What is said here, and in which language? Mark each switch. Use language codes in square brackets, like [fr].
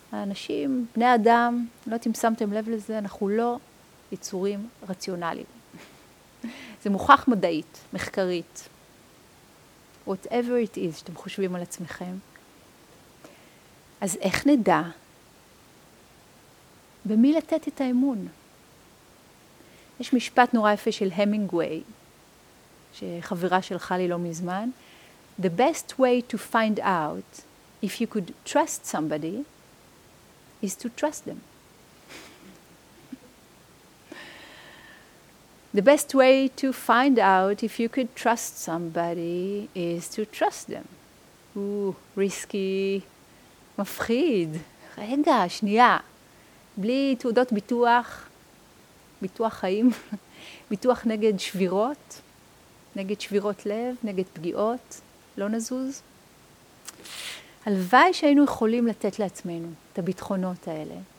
[he] האנשים, בני אדם, לא יודעת אם שמתם לב לזה, אנחנו לא יצורים רציונליים. זה מוכח מדעית, מחקרית. [en] whatever it is [he] שאתם חושבים על עצמכם, אז איך נדע במי לתת את האמון? יש משפט נורא יפה של המינגווי, שחברה שלך לי לא מזמן, [en] the best way to find out if you could trust somebody is to trust them. The best way to find out if you could trust somebody is to trust them. [he] ריסקי, מפחיד. רגע, שנייה. בלי תעודות ביטוח, ביטוח חיים, ביטוח נגד שבירות, נגד שבירות לב, נגד פגיעות, לא נזוז. הלוואי שהיינו יכולים לתת לעצמנו את הביטחונות האלה.